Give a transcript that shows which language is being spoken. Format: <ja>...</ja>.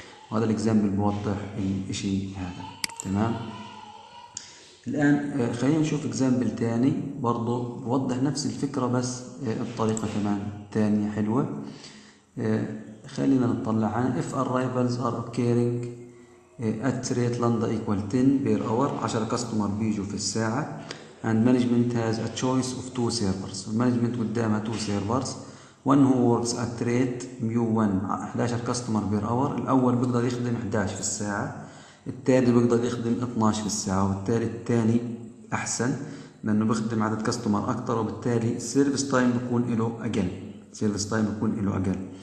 <ar>وهذا الاكزامبل بوضح الشيء هذا، تمام؟ الان خلينا نشوف اكزامبل تاني برضو بوضح نفس الفكرة بس بطريقة كمان تانية حلوة.</ar> <en>خلينا نطلع عن if arrivals are occurring at rate lambda equal 10 per hour،</en> <ar>10 كاستمر بيجوا في الساعة،</ar> <en>and management has a choice of two servers، management قدامها two servers، one who works at rate mu 1 11 customer per hour،</en> <ar>الأول بيقدر يخدم 11 في الساعة، الثاني بيقدر يخدم 12 في الساعة، والثالث الثاني احسن، لانه بيخدم عدد كاستمر اكثر، وبالتالي السيرفيس تايم بيكون له اقل، السيرفيس تايم بيكون له اقل.</ar>